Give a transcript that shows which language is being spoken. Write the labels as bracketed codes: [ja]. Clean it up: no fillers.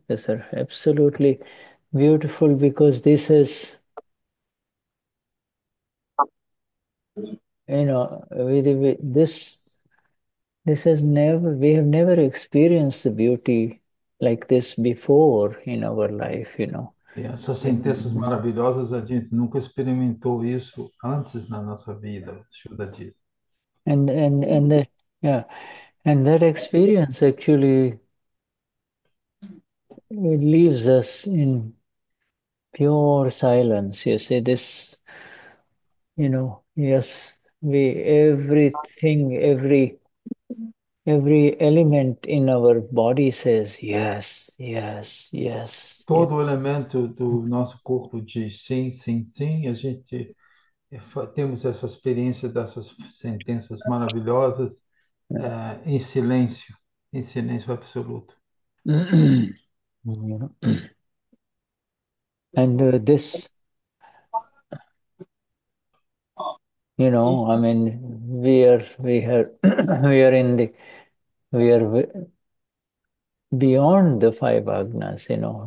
[en] These are absolutely beautiful because this is, you know, this has never, we have never experienced the beauty like this before in our life, you know. [pt] Essas sentenças maravilhosas, a gente nunca experimentou isso antes na nossa vida, Shuddha diz. [en] And that experience actually leaves us in pure silence. You see, this, you know, yes, every element in our body says yes, yes, yes, [pt] Todo [en] yes. [pt] elemento do nosso corpo diz sim. A gente temos essa experiência dessas sentenças maravilhosas, em silêncio absoluto. [en] And this, you know, I mean, we are beyond the five agnas, you know.